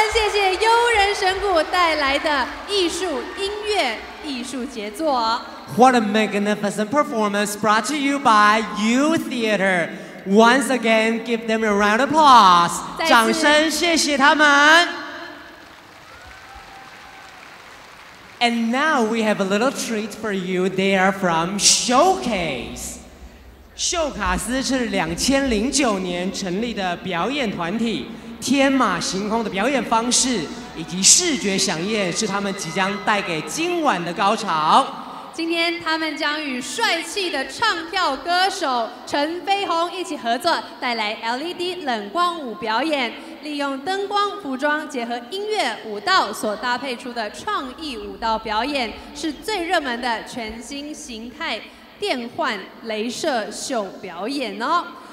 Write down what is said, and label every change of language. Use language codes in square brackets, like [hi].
[zh] 谢悠人神谷带来的艺术音乐艺术杰作。 [en] What a magnificent performance brought to you by You Theater. Once again, give them a round of applause. [zh] 掌声谢谢他们。 [en] And now we have a little treat for you. They are from Showcase. [zh] 秀卡斯是2009年成立的表演团体，天马行空的表演方式以及视觉飨宴是他们即将带给今晚的高潮。今天他们将与帅气的唱跳歌手陈飞鸿一起合作，带来 LED 冷光舞表演，利用灯光、服装结合音乐、舞蹈所搭配出的创意舞蹈表演，是最热门的全新形态电幻雷射秀表演哦！